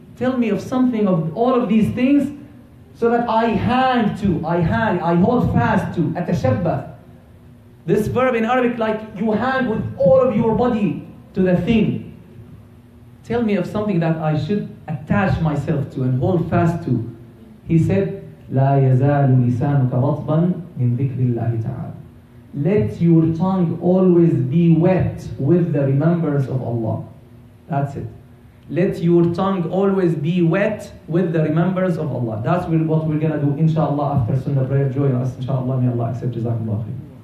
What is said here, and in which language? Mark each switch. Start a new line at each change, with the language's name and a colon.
English: Tell me of something of all of these things, so that I hold fast to, atashabbath. This verb in Arabic, like you hang with all of your body to the thing. Tell me of something that I should attach myself to and hold fast to. He said,
Arabic: لا يزال لسانك رطبا من ذكر الله تعالى.
English: Let your tongue always be wet with the remembrance of Allah. That's it. Let your tongue always be wet with the remembrance of Allah. That's what we're going to do, inshallah, after Sunnah prayer. Join us, inshallah. May Allah accept. Jazakallah khair.